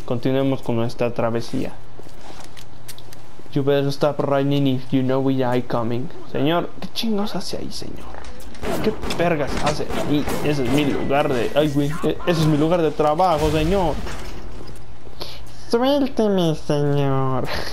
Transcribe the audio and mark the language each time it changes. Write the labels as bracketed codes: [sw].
[es] Continuemos con nuestra travesía. [en] You better stop running if you know we are coming. [es] Señor, ¿qué chingos hace ahí, señor? ¿Qué vergas hace ahí? Ese es mi lugar de... Ay, güey. Ese es mi lugar de trabajo, señor. Suélteme, señor.